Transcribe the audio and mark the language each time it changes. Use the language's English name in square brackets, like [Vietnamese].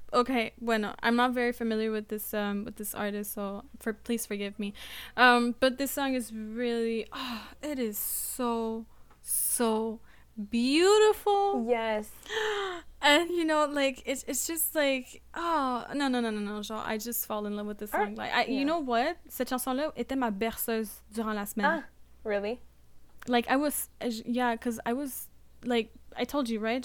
[English] Okay, bueno, I'm not very familiar with this artist, so please forgive me. But this song is really, it is so, so beautiful. Yes. And, you know, like, it's just like, no, genre, I just fall in love with this song. You know what? [French] Cette chanson-là était ma berceuse durant la semaine. [English] Really? Like, I was, because I was, like, I told you, right?